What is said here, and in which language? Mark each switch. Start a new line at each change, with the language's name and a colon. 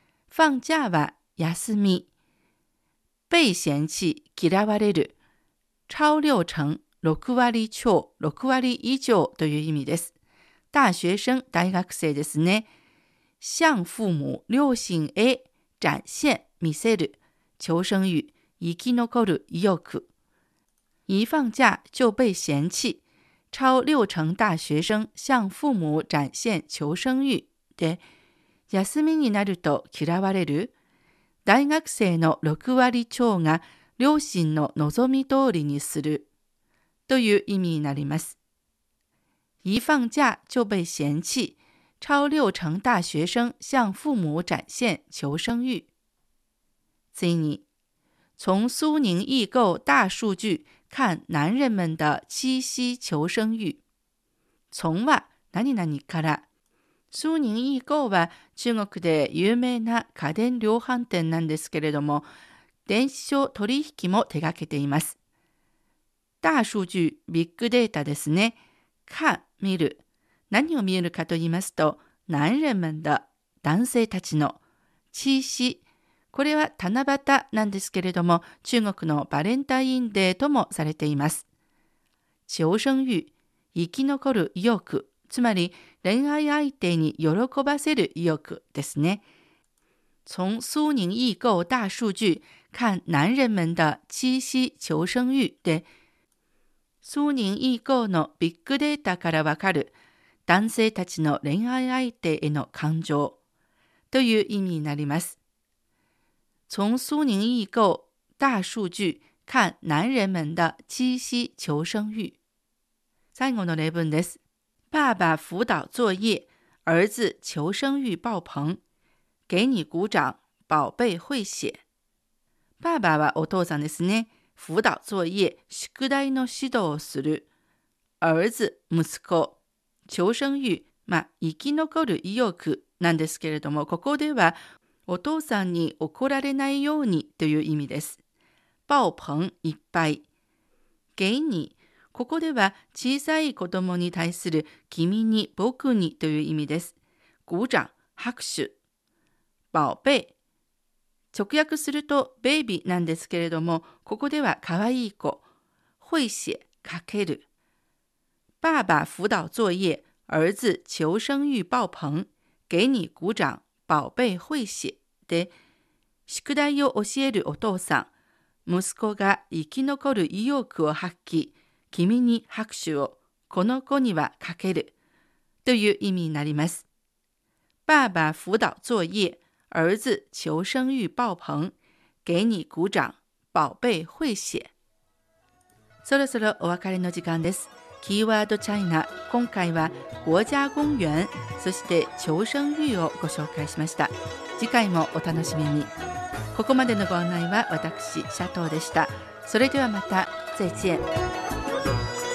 Japanese: 放假は休み。被嫌弃嫌われる。超六成六割超六割以上という意味です。大学生大学生ですね。向父母両親へ展現見せる。求生欲生き残る意欲。
Chinese: 一放假就被嫌弃，超六成大学生向父母展现求生欲。
Japanese: で、休みになると嫌われる。大学生の六割超が両親の望み通りにするという意味になります。
Chinese: 一放假就被嫌弃，超六成大学生向父母展现求生欲。
Japanese: 次に、
Chinese: 从苏宁易购大数据。看男人们的七夕求生欲。
Japanese: 从は何々から。苏宁易购は中国で有名な家電量販店なんですけれども、電子書取引も手掛けています。大数据、ビッグデータですね。看、見る。何を見るかと言いますと、男人们的、男性たちの七夕。これは七夕なんですけれども、中国のバレンタインデーともされています。求生欲、生き残る意欲、つまり恋愛相手に喜ばせる意欲ですね。
Chinese: 从苏宁易购大数据、看男人们的七夕求生欲
Japanese: で、苏宁易购のビッグデータからわかる、男性たちの恋愛相手への感情、という意味になります。
Chinese: 从苏宁易购大数据看男人们的七夕求生欲。
Japanese: 最後の例文です。
Chinese: 爸爸辅导作业，儿子求生欲爆棚。给你鼓掌，宝贝会写。
Japanese: 爸爸はお父さんですね。辅导作业，宿題の指導をする。儿子、息子、求生欲、まあ、生き残る意欲なんですけれども、ここではお父さんに怒られないようにという意味です。爆棚いっぱい。给你、ここでは小さい子供に対する君に僕にという意味です。鼓掌、拍手。宝贝、直訳するとベイビーなんですけれども、ここでは可愛い子。会写、書ける。
Chinese: 爸爸辅导作业、儿子求生欲爆棚。给你鼓掌。宝贝会写
Japanese: で、宿題を教えるお父さん、息子が生き残る意欲を発揮、君に拍手を、この子にはかける、という意味になります。
Chinese: 爸爸辅导作业、儿子求生欲爆棚、给你鼓掌、宝贝会写。
Japanese: そろそろお別れの時間です。キーワードチャイナ、今回は国家公園、そして求生欲をご紹介しました。次回もお楽しみに。ここまでのご案内は私、シャトーでした。それではまた、再见。